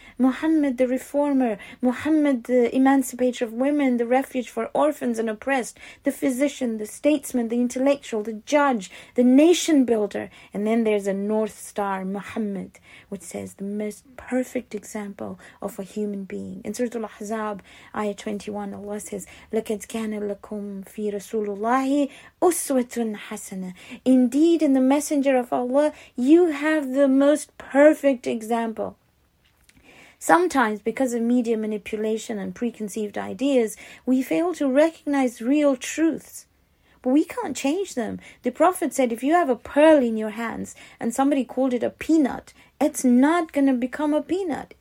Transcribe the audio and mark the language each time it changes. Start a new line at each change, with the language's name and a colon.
English: Muhammad the reformer, Muhammad the emancipator of women, the refuge for orphans and oppressed, the physician, the statesman, the intellectual, the judge, the nation builder. And then there's a North Star, Muhammad, which says the most perfect example of a human being. In Surah Al-Ahzab, Ayah 21, Allah says,
Arabic: لَكَدْ كَانَ لَكُمْ فِي رَسُولُ اللَّهِ أُسْوَةٌ حَسَنَةٌ.
English: Indeed, in the Messenger of Allah, you have the most perfect example. Sometimes, because of media manipulation and preconceived ideas, we fail to recognize real truths. But we can't change them. The Prophet said, if you have a pearl in your hands and somebody called it a peanut, it's not going to become a peanut.